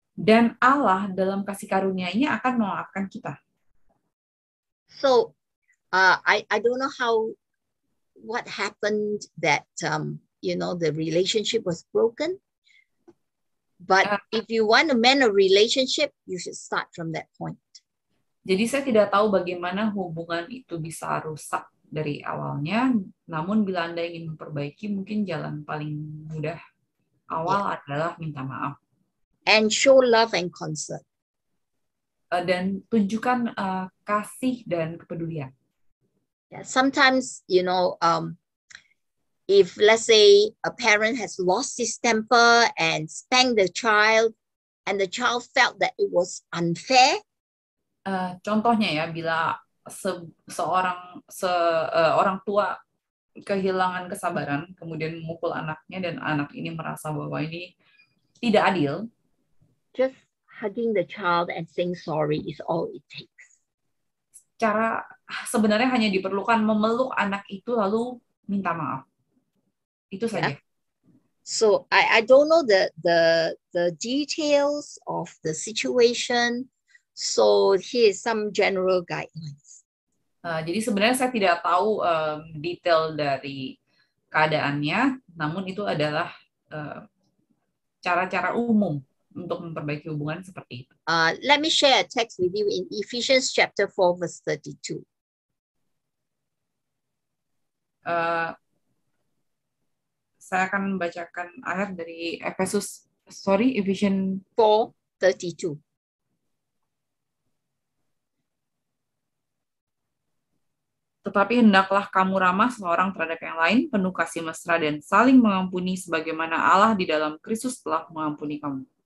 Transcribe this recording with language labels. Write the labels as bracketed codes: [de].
[id] Dan Allah dalam kasih karunia-Nya akan memaafkan kita. [en] So, I don't know what happened that you know the relationship was broken. But if you want to mend a relationship, you should start from that point. [id] Jadi saya tidak tahu bagaimana hubungan itu bisa rusak dari awalnya, namun bila Anda ingin memperbaiki, mungkin jalan paling mudah awal adalah minta maaf. [en] And show love and concern. [id] Dan tunjukkan kasih dan kepedulian. [en] Yeah, sometimes, you know, if let's say a parent has lost his temper and spanked the child, and the child felt that it was unfair, [id] Contohnya ya, bila seorang se orang tua kehilangan kesabaran, kemudian memukul anaknya dan anak ini merasa bahwa ini tidak adil. [en] Just hugging the child and saying sorry is all it takes. [id] Cara sebenarnya hanya diperlukan memeluk anak itu lalu minta maaf. Itu saja. Yeah. [en] So I don't know the details of the situation. So here's some general guidelines. [id] Jadi sebenarnya saya tidak tahu detail dari keadaannya, namun itu adalah cara-cara umum untuk memperbaiki hubungan seperti itu. [en] Let me share a text with you in Ephesians chapter 4 verse 32. [id] Saya akan membacakan ayat dari Efesus, sorry, Ephesians [en] 4:32. [id] Tetapi hendaklah kamu ramah seorang terhadap yang lain, penuh kasih mesra dan saling mengampuni sebagaimana Allah di dalam Kristus telah mengampuni kamu.